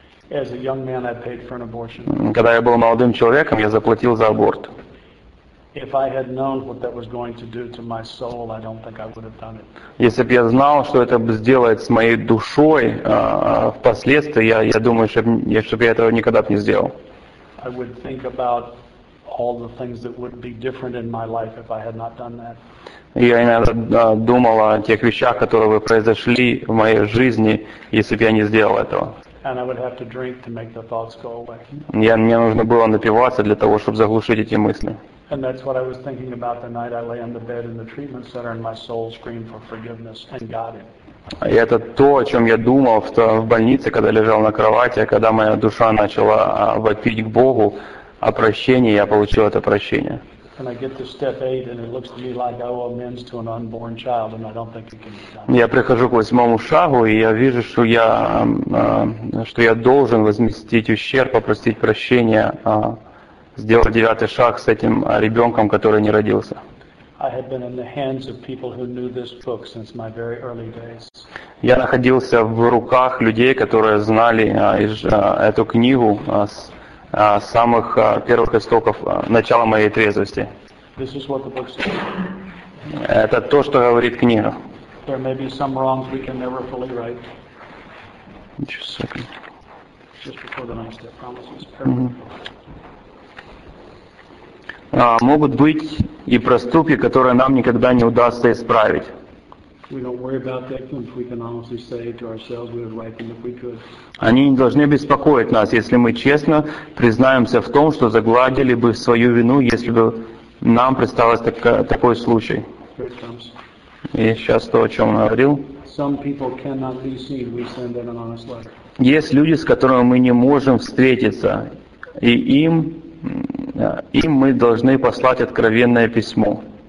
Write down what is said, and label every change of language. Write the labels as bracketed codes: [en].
[en] Man, [ru] когда я был молодым человеком, я заплатил за аборт. [en] Soul, [ru] если бы я знал, что это сделает с моей душой впоследствии, я думаю, чтобы я этого никогда бы не сделал. [en] I would think about all the things that would be different in my life if I had not done that. [ru] Я иногда думал о тех вещах, которые бы произошли в моей жизни, если бы я не сделал этого. [en] And I would have to drink to make the thoughts go away. [ru] Мне нужно было напиваться для того, чтобы заглушить эти мысли. [en] And that's what I was thinking about the night I lay on the bed in the treatment center and my soul screamed for forgiveness and got it. [ru] И это то, о чем я думал в больнице, когда лежал на кровати, когда моя душа начала вопить к Богу о прощении, я получил это прощение. [en] And I get to step 8 and it looks to me like I owe amends to an unborn child and I don't think it can be done. [ru] Я прихожу к восьмому шагу и я вижу, что я должен возместить ущерб, попросить прощения, сделать девятый шаг с этим ребенком, который не родился. [en] I have been in the hands of people who knew this book since my very early days. [ru] Я находился в руках людей, которые знали эту книгу с самых первых истоков начала моей трезвости. [en] This is what the book says. [ru] Это то, что говорит книга. [en] There may be some wrongs we can never fully right. Just a second. Just before the ninth step, promise is perfect. [ru] Могут быть и проступки, которые нам никогда не удастся исправить. [en] We don't worry about that if we can honestly say to ourselves we would write them if we could. [ru] Они не должны беспокоить нас, если мы честно признаемся в том, что загладили бы свою вину, если бы нам представился такой случай. И сейчас то, о чем он говорил. [en] Some people cannot be seen, we send them an honest letter. [ru] Есть люди, с которыми мы не можем встретиться, и им мы должны послать откровенное письмо.